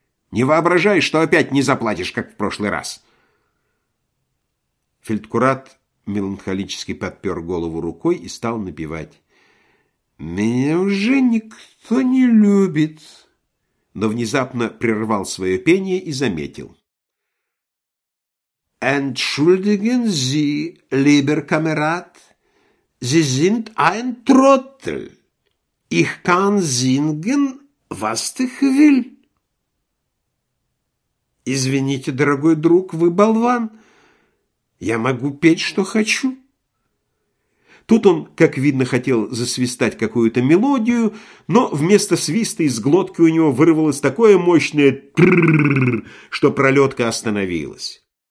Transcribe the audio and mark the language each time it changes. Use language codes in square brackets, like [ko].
[ru] Не воображай, что опять не заплатишь, как в прошлый раз!» Фельдкурат меланхолически подпер голову рукой и стал напевать. «Меня уже никто не любит!» Но внезапно прервал свое пение и заметил. [de] «Entschuldigen Sie, lieber Kamerad, Sie sind ein Trottel. Ich kann singen, was ich will». [ru] «Извините, дорогой друг, вы болван. Я могу петь, что хочу». Тут он, как видно, хотел засвистать какую-то мелодию, но вместо свиста из глотки у него вырвалось такое мощное «трррррр», что пролетка остановилась.